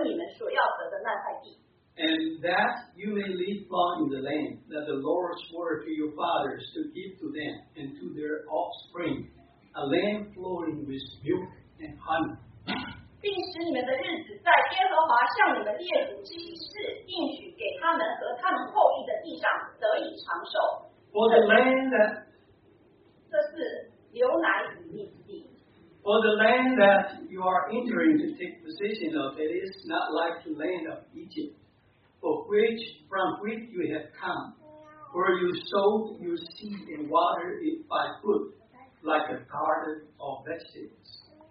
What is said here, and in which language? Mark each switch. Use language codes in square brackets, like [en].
[zh] 在经文中，主耶稣这么说的：“所以你们要守我今日吩咐你们一切的诫命，使你们得刚强壮胆，得以进去得你们所要得的那块地。” [en] And that you may live long in the land that the Lord swore to your fathers to give to them and to their offspring, a land flowing with milk and honey. [zh] 并使你们的日子在耶和华向你们列祖今世应许给他们和他们后裔的地上得以长寿。 [en] For the land that [zh] 这是牛奶与蜜之地。 [en] For the land that you are entering to take possession of, it is not like the land of Egypt, from which you have come, where you sowed your seed and watered it by foot, like a garden of vegetables.